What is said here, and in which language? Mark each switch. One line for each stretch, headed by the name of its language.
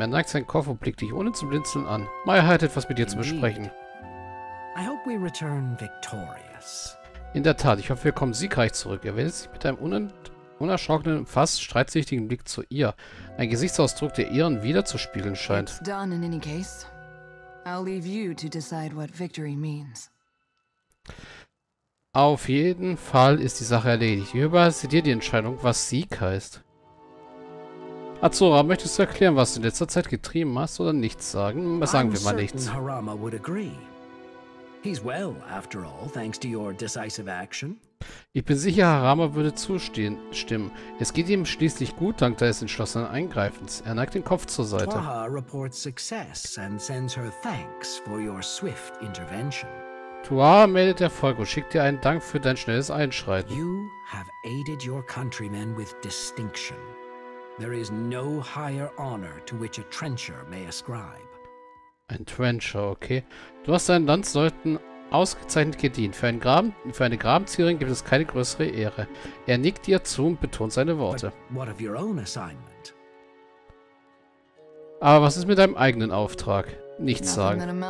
German: Er neigt seinen Kopf und blickt dich ohne zu blinzeln an. Maya hat etwas mit dir zu besprechen.
English: I hope we return victorious.
German: In der Tat, ich hoffe, wir kommen siegreich zurück. Er wendet sich mit einem unerschrockenen, fast streitsüchtigen Blick zu ihr. Ein Gesichtsausdruck, der ihren wiederzuspiegeln scheint.
English: It's done in any case. I'll leave you to decide what victory means.
German: Auf jeden Fall ist die Sache erledigt. Ich überlasse dir die Entscheidung, was Sieg heißt. Azura, möchtest du erklären, was du in letzter Zeit getrieben hast oder nichts sagen? Sagen wir mal nichts.
English: Harama would agree. He's well, after all, thanks to your decisive action.
German: Ich bin sicher, Harama würde zustimmen. Es geht ihm schließlich gut, dank des entschlossenen Eingreifens. Er neigt den Kopf zur Seite.
English: Twaha reports success and sends her thanks for your swift intervention.
German: Twaha meldet Erfolg und schickt dir einen Dank für dein schnelles Einschreiten.
English: You have aided your countrymen with distinction. There is no higher honor to which a trencher may ascribe.
German: Ein Trencher, okay. Du hast deinen Landsleuten ausgezeichnet gedient. Für eine Grabenzieherin gibt es keine größere Ehre. Er nickt dir zu und betont seine Worte.
English: What of your own assignment?
German: Aber was ist mit deinem eigenen Auftrag? Nichts sagen.